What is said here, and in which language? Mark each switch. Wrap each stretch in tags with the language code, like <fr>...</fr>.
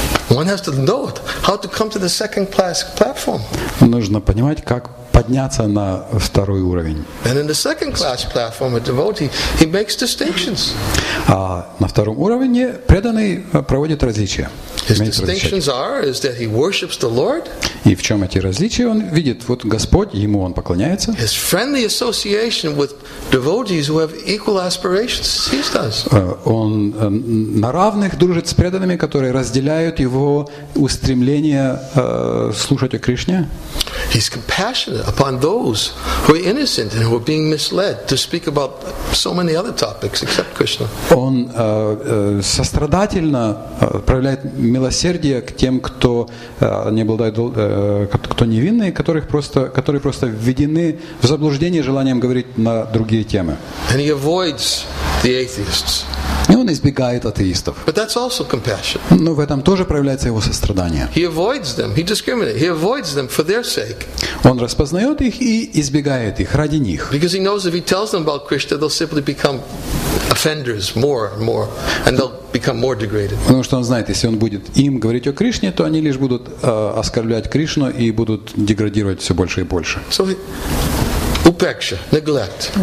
<en>One has to know how to come to the second class platform.</en> <ru>Нужно понимать, как подняться на второй уровень.</ru> <en>And in the second class platform, a devotee he makes distinctions.</en> <ru>На втором уровне преданный проводит различия.</ru> <en>His distinctions are is that he worships the Lord.</en> <ru>И в чем эти различия он видит? Вот Господь, ему он поклоняется.</ru> <en>His friendly association with devotees who have equal aspirations as he does.</en> <ru>Он на равных дружит с преданными, которые разделяют его устремление слушать о Кришне.</ru> <en>He's compassionate upon those who are innocent and who are being misled to speak about so many other topics except Krishna.</en> <ru>Он сострадательно проявляет милосердие к тем, кто не обладает, кто невинный, которые просто введены в заблуждение желанием говорить на другие темы.</ru> <en>And he avoids the atheists.</en> <ru>И он избегает атеистов.</ru> <en>But that's also compassion.</en> <ru>Но в этом тоже проявляется его сострадание.</ru> <en>He avoids them. He discriminates. He avoids them for their sake.</en> <ru>Он распознает их и избегает их ради них.</ru> <en>Because he knows if he tells them about Krishna, they'll simply become offenders more and more, and they'll become more degraded.</en> <ru>Потому что он знает, если он будет им говорить о Кришне, то они лишь будут оскорблять Кришну и будут деградировать все больше и больше.</ru> <en>So упекша, neglect.</en>